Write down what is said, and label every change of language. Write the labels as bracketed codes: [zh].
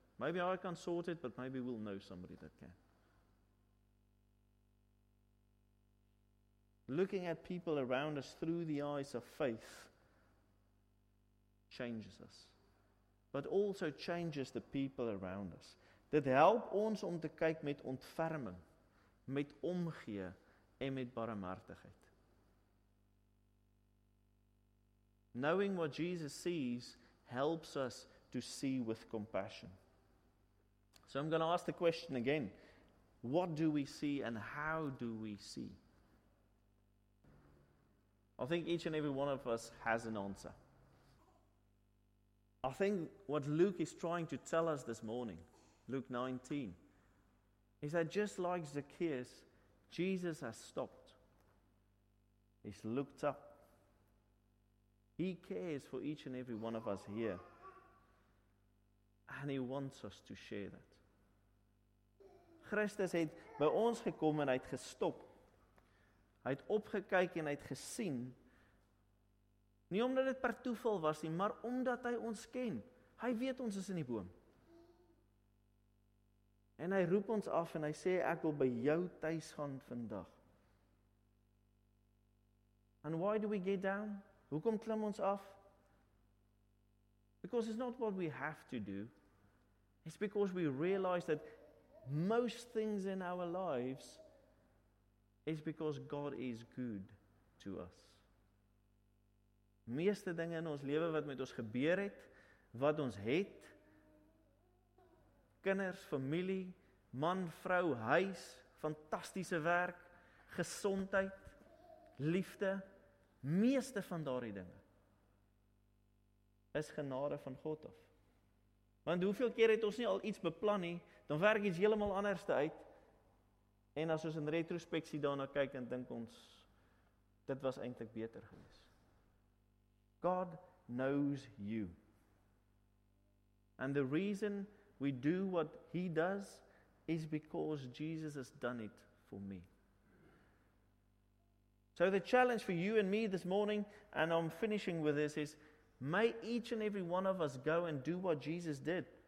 [en] Maybe I can't sort it, but maybe we'll know somebody that can. Looking at people around us through the eyes of faith changes us, but also changes the people around us. [af] Dit help ons om te kyk met ontferming, met omgee en met barmhartigheid. [en] Knowing what Jesus sees helps us to see with compassion. So I'm going to ask the question again. What do we see and how do we see? I think each and every one of us has an answer. I think what Luke is trying to tell us this morning, Luke 19, is that just like Zacchaeus, Jesus has stopped. He's looked up. He cares for each and every one of us here. And he wants us to share that. [af] Christus het by ons gekom en hy het gestop. Hy het opgekyk en hy het gesien. Nie omdat dit per toeval was nie, maar omdat hy ons ken. Hy weet ons is in die boom. En hy roep ons af en hy sê, ek wil by jou thuis gaan vandag. [en] And why do we get down? [af] Hoekom klim ons af? [en] Because it's not what we have to do. It's because we realize that most things in our lives is because God is good to us. [af] Meeste dinge in ons lewe wat met ons gebeur het, wat ons het, kinders, familie, man, vrou, huis, fantastiese werk, gesondheid, liefde, meeste van daardie dinge, is genade van God af. Want hoeveel keer het ons nie al iets beplan nie, dan werk iets helemaal anders uit, en as ons in retrospectie daarna kyk, en dink ons, dit was eintlik beter geweest. [en] God knows you. And the reason we do what he does, is because Jesus has done it for me. So the challenge for you and me this morning, and I'm finishing with this, is may each and every one of us go and do what Jesus did.